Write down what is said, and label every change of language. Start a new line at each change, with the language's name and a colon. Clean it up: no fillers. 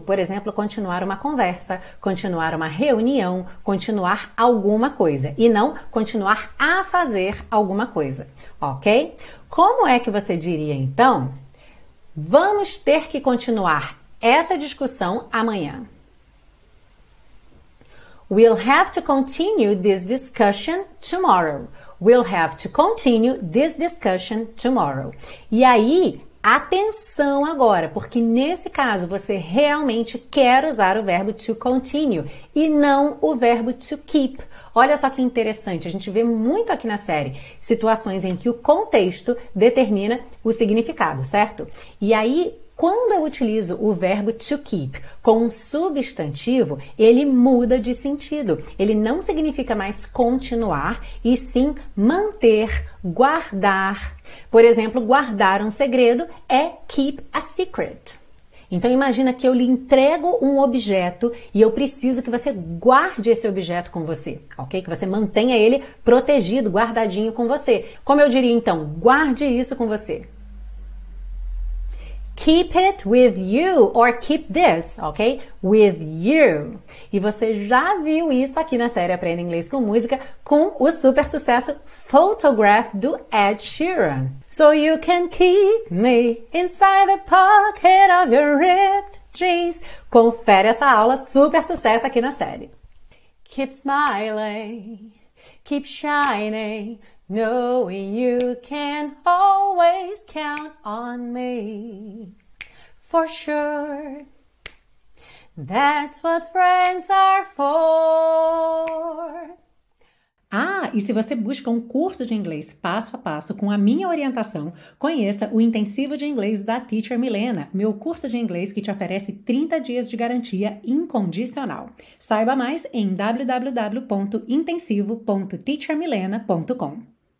Portuguese: Por exemplo, continuar uma conversa, continuar uma reunião, continuar alguma coisa. E não continuar a fazer alguma coisa, ok? Como é que você diria, então, vamos ter que continuar essa discussão amanhã?
English: We'll have to continue this discussion tomorrow. We'll have to continue this discussion tomorrow.
Portuguese: E aí, atenção agora, porque nesse caso você realmente quer usar o verbo to continue e não o verbo to keep. Olha só que interessante, a gente vê muito aqui na série situações em que o contexto determina o significado, certo? E aí, quando eu utilizo o verbo to keep com um substantivo, ele muda de sentido. Ele não significa mais continuar, e sim manter, guardar. Por exemplo, guardar um segredo é
English: keep a secret.
Portuguese: Então imagina que eu lhe entrego um objeto e eu preciso que você guarde esse objeto com você, ok? Que você mantenha ele protegido, guardadinho com você. Como eu diria então, guarde isso com você?
English: Keep it with you or keep this, ok? With you.
Portuguese: E você já viu isso aqui na série Aprenda Inglês com Música com o super sucesso Photograph do Ed Sheeran.
English: So you can keep me inside the pocket of your ripped jeans.
Portuguese: Confere essa aula super sucesso aqui na série.
English: Keep smiling, keep shining, knowing you can always count on me. For sure, that's what friends are for.
Portuguese: Ah, e se você busca um curso de inglês passo a passo com a minha orientação, conheça o Intensivo de Inglês da Teacher Milena, meu curso de inglês que te oferece 30 dias de garantia incondicional. Saiba mais em www.intensivo.teachermilena.com.